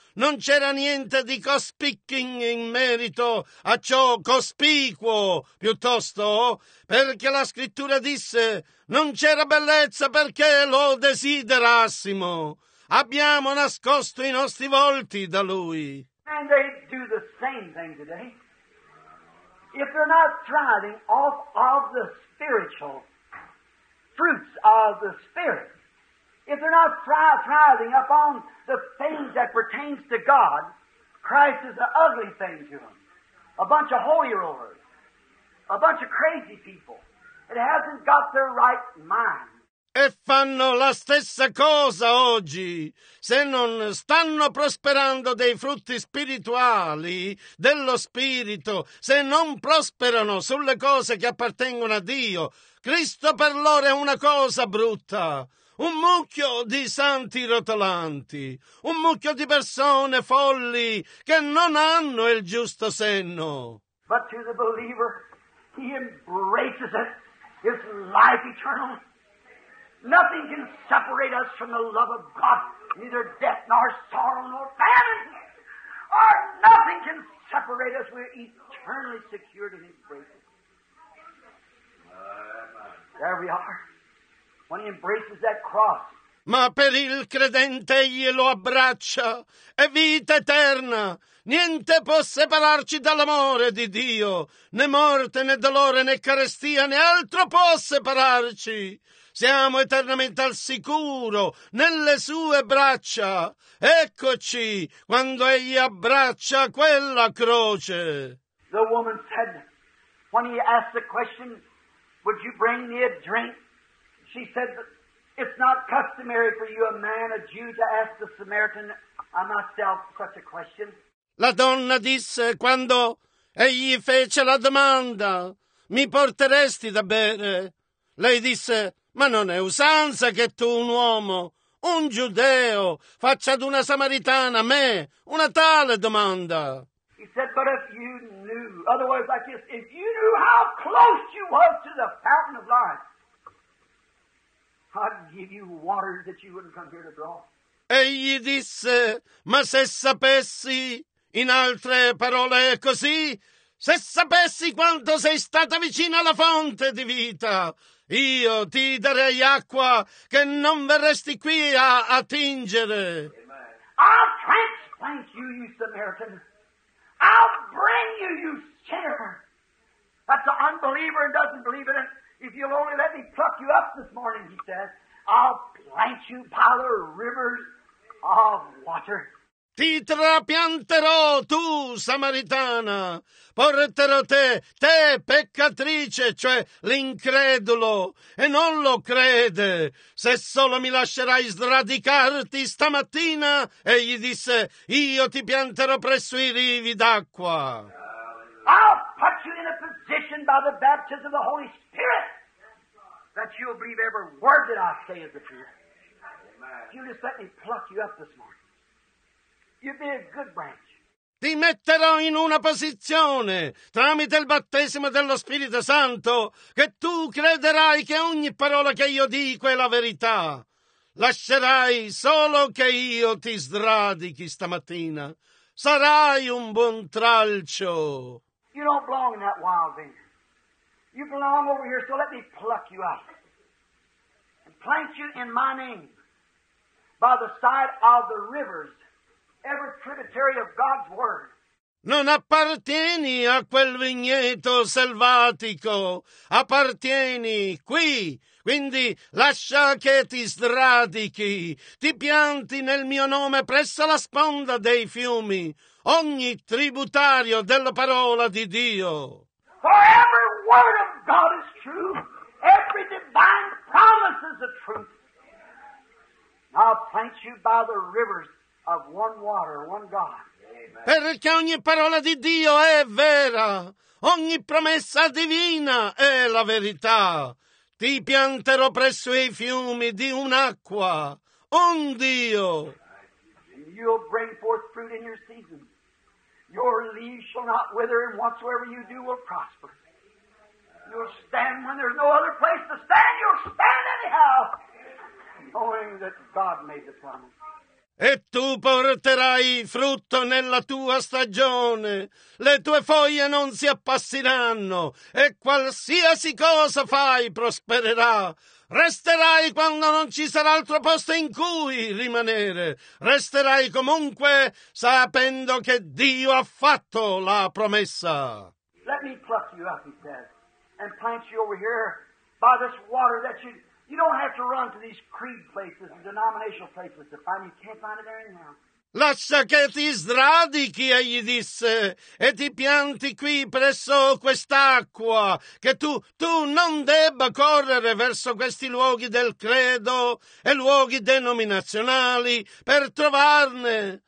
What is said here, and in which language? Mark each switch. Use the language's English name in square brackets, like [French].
[Italian] Non c'era niente di cospicking in merito a ciò cospicuo, piuttosto, perché la Scrittura disse, non c'era bellezza perché lo desiderassimo. abbiamo nascosto i nostri volti da Lui. [English] And they do the same thing today. If they're not thriving off of the spiritual fruits of the Spirit, if they're not thriving upon the things that pertains to God, Christ is an ugly thing to them. A bunch of holy rollers. A bunch of crazy people. It hasn't got their right mind. [Italian] E fanno la stessa cosa oggi. Se non stanno prosperando dei frutti spirituali, dello spirito, se non prosperano sulle cose che appartengono a Dio, Cristo per loro è una cosa brutta. Un mucchio di santi rotolanti, un mucchio di persone folli che non hanno il giusto senno. [English] But to the believer, he embraces it, his life eternal. Nothing can separate us from the love of God, neither death nor sorrow nor famine. Or nothing can separate us. We're eternally secured in his embraces. There we are. When he embraces that cross. [Italian] Ma per il credente glielo abbraccia, è vita eterna. Niente può separarci dall'amore di Dio. Né morte, né dolore, né carestia, né altro può separarci. Siamo eternamente al sicuro, nelle sue braccia. Eccoci, quando egli abbraccia quella croce. [English] The woman said, when he asked the question, would you bring me a drink? She said, it's not customary for you, a man, a Jew, to ask the Samaritan, myself, such a question. [Italian] La donna disse, quando egli fece la domanda, mi porteresti da bere? Lei disse, ma non è usanza che tu, un uomo, un giudeo, faccia ad una samaritana, me, una tale domanda. [English] He said, but if you knew, otherwise like this, if you knew how close you was to the fountain of life, I'd give you water that you wouldn't come here to draw. [Italian] Egli disse, ma se sapessi, in altre parole così, se sapessi quanto sei stata vicina alla fonte di vita, io ti darei acqua che non verresti qui a attingere. [English] I'll transplant you, you Samaritan. I'll bring you, you sinner. That's an unbeliever and doesn't believe in it. If you'll only let me pluck you up this morning, he says, I'll plant you by the rivers of water. [Italian] Ti trapianterò, tu, samaritana, porterò te, peccatrice, cioè l'incredulo, e non lo crede. Se solo mi lascerai sradicarti stamattina, egli disse, io ti pianterò presso i rivi d'acqua. [English] I'll put you in a position by the baptism of the Holy Spirit that you'll believe every word that I say is the truth. You just let me pluck you up this morning. You'd be a good branch. [Italian] Ti metterò in una posizione tramite il battesimo dello Spirito Santo che tu crederai che ogni parola che io dico è la verità. Lascerai solo che io ti sradichi stamattina. Sarai un buon tralcio. [English] You don't belong in that wild vineyard. You belong over here, so let me pluck you up and plant you in my name by the side of the rivers. Every tributary of God's word. [Italian] Non appartieni a quel vigneto selvatico, appartieni qui, quindi lascia che ti sradichi, ti pianti nel mio nome presso la sponda dei fiumi, ogni tributario della parola di Dio. [English] For every word of God is true, every divine promise is a truth. I'll plant you by the rivers. Of one water, one God. [Italian] Perché ogni parola di Dio è vera, ogni promessa divina è la verità. Ti pianterò presso i fiumi di un'acqua, un Dio. [English] And you'll bring forth fruit in your season. Your leaves shall not wither, and whatsoever you do will prosper. You'll stand when there's no other place to stand, you'll stand anyhow, knowing that God made the promise. [Italian] E tu porterai frutto nella tua stagione, le tue foglie non si appassiranno e qualsiasi cosa fai prospererà. Resterai quando non ci sarà altro posto in cui rimanere. Resterai comunque sapendo che Dio ha fatto la promessa. [English] Let me pluck you up, he says, and plant you over here by this water that you don't have to run to these creed places and denominational places to find. You can't find it there anyhow. [Italian] Lascia che ti sradichi, egli disse, e ti pianti qui presso quest'acqua, che tu non debba correre verso questi luoghi del credo e luoghi denominazionali per trovarne.